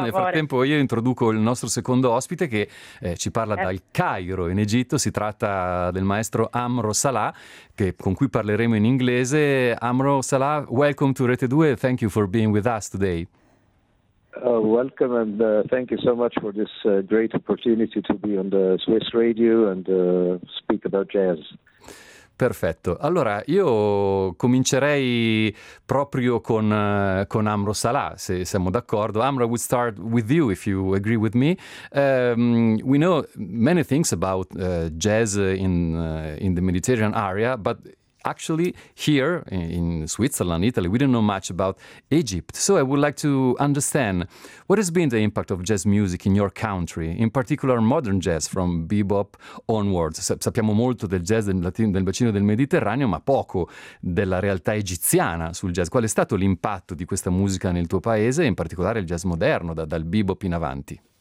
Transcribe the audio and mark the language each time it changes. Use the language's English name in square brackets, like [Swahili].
[Italian] Nel frattempo io introduco il nostro secondo ospite che ci parla dal Cairo in Egitto. Si tratta del maestro Amro Salah, con cui parleremo in inglese. [English] Amro Salah, welcome to Rete 2, thank you for being with us today. Welcome and thank you so much for this great opportunity to be on the Swiss radio and speak about jazz. [Italian] Perfetto. Allora, io comincerei proprio con Amro Salah, se siamo d'accordo. [English] Amro, I would start with you, if you agree with me. We know many things about jazz in the Mediterranean area, but actually, here in Switzerland, Italy, we don't know much about Egypt. So I would like to understand, what has been the impact of jazz music in your country, in particular modern jazz from bebop onwards? [Italian] Sappiamo molto del jazz del bacino del Mediterraneo, ma poco della realtà egiziana sul jazz. Qual è stato l'impatto di questa musica nel tuo paese, in particolare il jazz moderno, dal bebop in avanti?